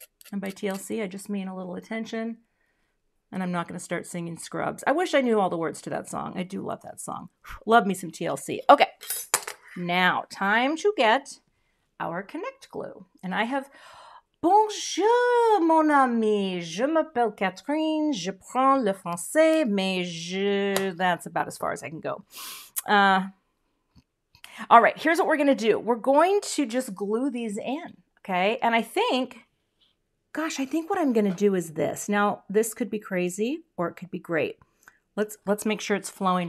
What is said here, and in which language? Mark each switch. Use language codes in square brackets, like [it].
[en] And by TLC, I just mean a little attention. And I'm not going to start singing Scrubs. I wish I knew all the words to that song. I do love that song. Love me some TLC. Okay. Now, time to get our connect glue. And I have... [fr] Bonjour, mon ami. Je m'appelle Catherine. Je prends le français, mais je... [en] That's about as far as I can go. All right, here's what we're going to do. We're going to just glue these in, okay? And I think what I'm going to do is this. Now, this could be crazy or it could be great. Let's make sure it's flowing.